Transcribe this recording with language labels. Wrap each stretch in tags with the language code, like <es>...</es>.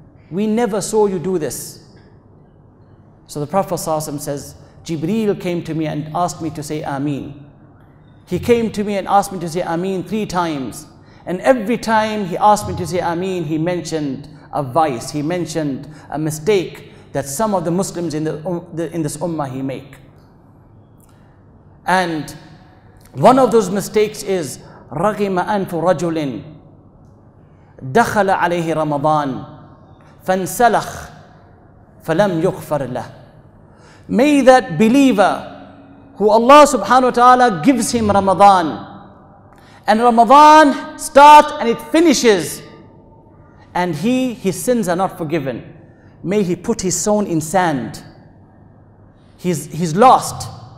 <en>We never saw you do this. So the Prophet says, Jibreel came to me and asked me to say Ameen. He came to me and asked me to say Ameen 3 times. And every time he asked me to say Ameen, he mentioned a vice. He mentioned a mistake that some of the Muslims in this ummah he make. And one of those mistakes is</en> <ar>رَغِمَ أَنْفُ رَجُلٍ دَخَلَ عَلَيْهِ رَمَضَانٍ فَانْسَلَخْ فَلَمْ يُغْفَرْ لَهُ.</ar> <en>May that believer who Allah subhanahu wa ta'ala gives him Ramadan, and Ramadan starts and it finishes, and his sins are not forgiven. May he put his soul in sand. He's lost.</en>